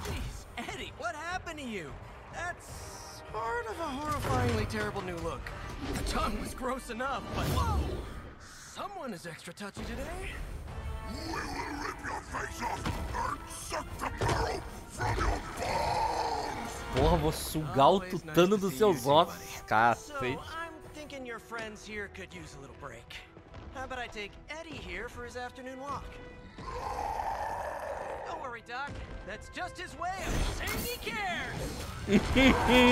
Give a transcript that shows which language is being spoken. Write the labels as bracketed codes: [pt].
[en] Jeez, Eddie, what happened to you? That's part of a horrifyingly terrible new look. The tongue was gross enough, but... Whoa! Someone is extra touchy today. We will rip your face off and suck the pearl from your bones! [pt] Porra, vou sugar o tutano dos seus ossos, cacete. [en] So, I'm thinking your friends here could use a little break. How about I take Eddie here for his afternoon walk? Don't worry, Doc. That's just his way of saying he cares!